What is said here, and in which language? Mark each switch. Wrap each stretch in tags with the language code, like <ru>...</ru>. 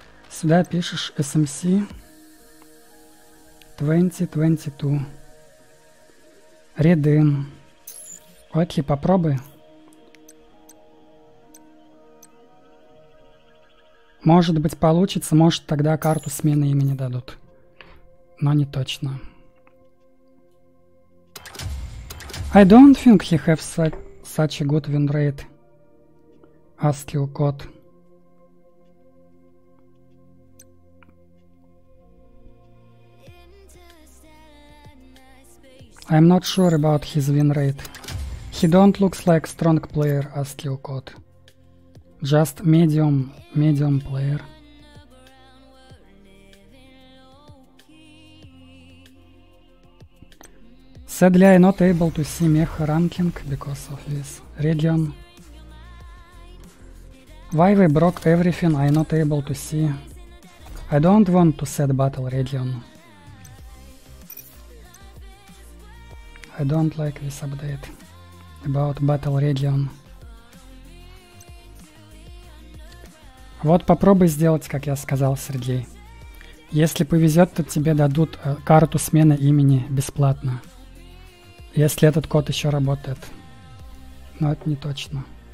<ru>Сюда пишешь SMC 2022. Redeem. Окей, попробуй. Может быть получится, может тогда карту смены имени дадут. Но не точно.</ru> <en>I don't think he have such a good win rate. ASCII code. I'm not sure about his win rate. He don't looks like strong player, ASCII code. Just medium player. Sadly, I'm not able to see Mecha ranking because of this region. Why we broke everything, I'm not able to see. I don't want to set battle region. I don't like this update about battle region.</en> <ru>Вот попробуй сделать, как я сказал, Сергей. Если повезет, то тебе дадут карту смены имени бесплатно. Если этот код еще работает. Но это не точно.</ru>